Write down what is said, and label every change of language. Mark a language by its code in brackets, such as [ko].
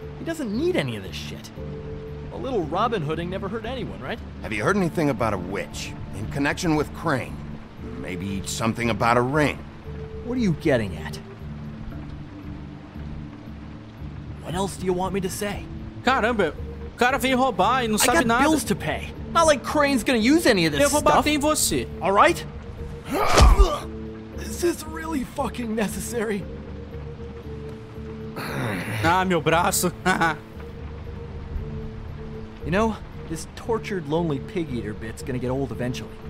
[en] He doesn't need any of this shit. A little Robin Hooding never hurt anyone, right? Have you heard anything about a witch in connection with Crane? Maybe something about a ring. What are you getting at? What else do you want me to say? [pt] Caramba, o cara vem roubar e não sabe nada. [en] I got bills to pay. Not like Crane's gonna use any of this stuff. [pt] Eu vou bater em você. [en] All right? Is this really fucking necessary? [pt] Ah, meu braço. [en] You know, this tortured, lonely pig-eater bit's gonna get old eventually.